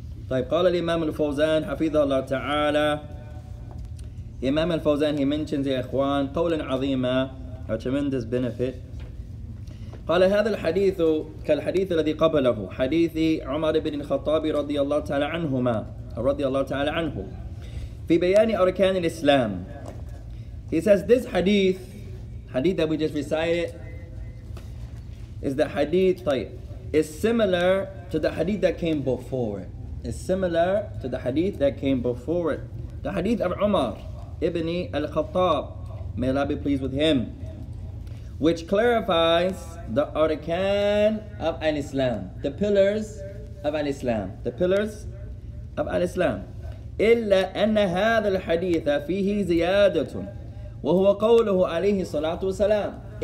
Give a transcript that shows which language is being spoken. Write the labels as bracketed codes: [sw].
[ar] طيب قال الإمام الفوزان حفظه الله تعالى, إمام الفوزان [en] he mentions [ar] يا إخوان قولا عظيما, [en] a tremendous benefit. [ar] قال هذا الحديث كالحديث الذي قبله, حديث عمر بن الخطاب رضي الله تعالى عنهما رضي الله تعالى عنه في بيان أركان الإسلام. [en] He says this hadith, hadith that we just recited, is the hadith, طيب, is similar to the hadith that came before it. Is similar to the hadith that came before it. The hadith of Umar ibn al-Khattab, may Allah be pleased with him, which clarifies the arkan of al-Islam, the pillars of al-Islam, the pillars of al-Islam. [ar] إلا أن هذا الحديث فيه زيادة وهو قوله عليه الصلاة والسلام.